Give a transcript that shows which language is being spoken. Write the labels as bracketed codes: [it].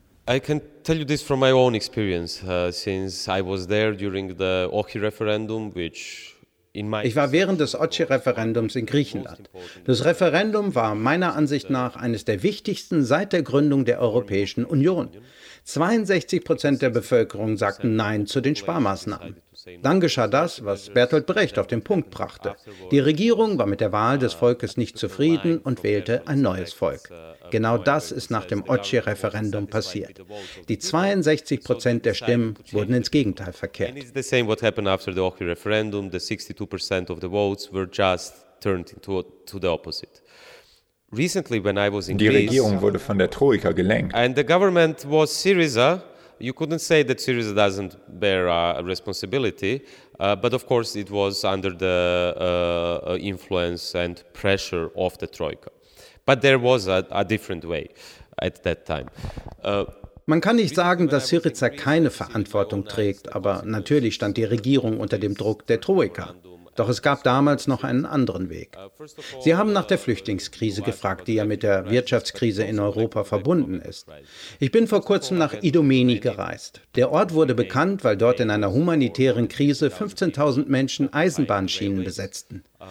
[en] I can tell you this from my own experience, since I was there during the Ochi referendum, which [de] Ich war während des Ochi-Referendums in Griechenland. Das Referendum war meiner Ansicht nach eines der wichtigsten seit der Gründung der Europäischen Union. 62% der Bevölkerung sagten Nein zu den Sparmaßnahmen. Dann geschah das, was Bertolt Brecht auf den Punkt brachte. Die Regierung war mit der Wahl des Volkes nicht zufrieden und wählte ein neues Volk. Genau das ist nach dem Ochi-Referendum passiert. Die 62% der Stimmen wurden ins Gegenteil verkehrt. [en] It's the same what happened after the Ochi-Referendum. The 62% of the votes were just turned into the opposite. Recently, when I was in [de] Greece, Regierung wurde von der Troika gelenkt. [en] And the government was Syriza. You couldn't say that Syriza doesn't bear a responsibility, but of course it was under the influence and pressure of the Troika. But there was a different way at that time. [de] Man kann nicht sagen, dass Syriza keine Verantwortung trägt, aber natürlich stand die Regierung unter dem Druck der Troika. Doch es gab damals noch einen anderen Weg. Sie haben nach der Flüchtlingskrise gefragt, die ja mit der Wirtschaftskrise in Europa verbunden ist. Ich bin vor kurzem nach Idomeni gereist. Der Ort wurde bekannt, weil dort in einer humanitären Krise 15.000 Menschen Eisenbahnschienen besetzten.